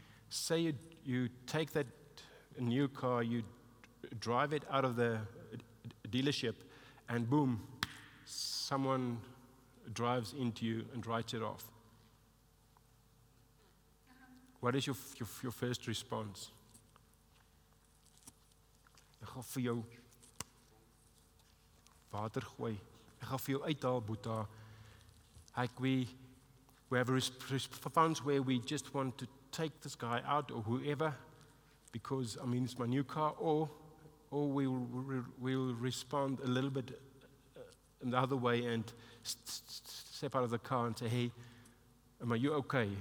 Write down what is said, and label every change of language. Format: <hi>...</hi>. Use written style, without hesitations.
<en>Say you take that new car, you drive it out of the dealership, and boom, someone drives into you and writes it off. What is your first response?</en> <af>Ek gaan vir jou water gooi. Ek gaan vir jou uithaal, Boeta.</af> <en>Like we have a response where we just want to take this guy out or whoever, because I mean it's my new car, or we'll respond a little bit in the other way and step out of the car and say, hey, am I you okay?</en>